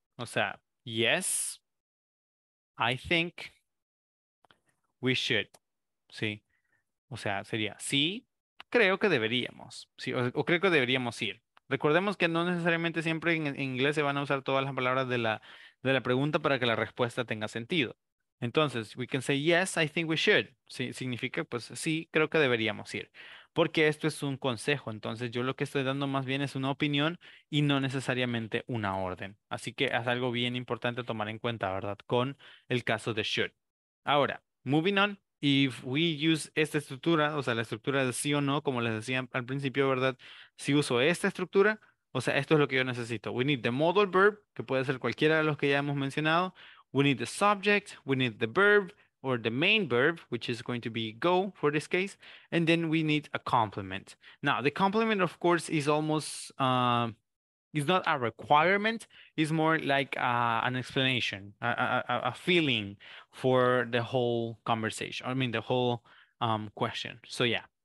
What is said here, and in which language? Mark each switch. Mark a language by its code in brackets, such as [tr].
[es] O sea, [en] yes, I think we should. Sí. [es] O sea, sería, sí, creo que deberíamos. Sí, o creo que deberíamos ir. Recordemos que no necesariamente siempre en inglés se van a usar todas las palabras de la pregunta para que la respuesta tenga sentido. [en] Entonces, we can say, yes, I think we should. [es] Sí, significa, pues, sí, creo que deberíamos ir. Porque esto es un consejo. Entonces, yo lo que estoy dando más bien es una opinión y no necesariamente una orden. Así que es algo bien importante tomar en cuenta, ¿verdad? Con el caso de should. Ahora, [en] moving on. If we use [es] esta estructura, o sea, la estructura de sí o no, como les decía al principio, ¿verdad? Si uso esta estructura, o sea, esto es lo que yo necesito. [en] We need the modal verb, [es] que puede ser cualquiera de los que ya hemos mencionado. [en] We need the subject, we need the verb, or the main verb, which is going to be go for this case, and then we need a complement. Now, the complement, of course, is almost, is not a requirement, it's more like an explanation, a feeling for the whole conversation, I mean, the whole question. So, yeah.